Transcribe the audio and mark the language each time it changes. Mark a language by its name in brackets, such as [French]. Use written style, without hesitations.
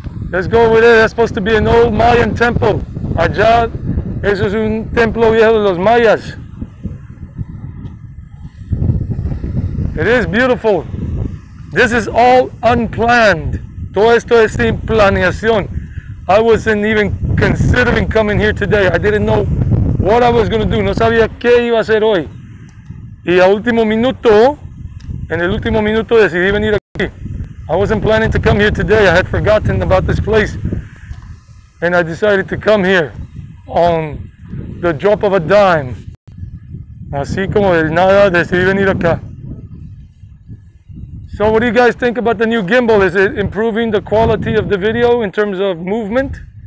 [English] Let's go over there. That's supposed to be an old Mayan temple. [Spanish] Allá, eso es un templo viejo de los mayas. [English] It is beautiful. This is all unplanned. [Spanish] Todo esto es sin planeación. [English] I wasn't even considering coming here today. I didn't know what I was going to do. [Spanish] No sabía qué iba a hacer hoy. Y a último minuto, en el último minuto decidí venir aquí. [English] I wasn't planning to come here today. I had forgotten about this place. And I decided to come here on the drop of a dime. [Spanish] Así como de nada decidí venir acá. [English] So what do you guys think about the new gimbal? Is it improving the quality of the video in terms of movement?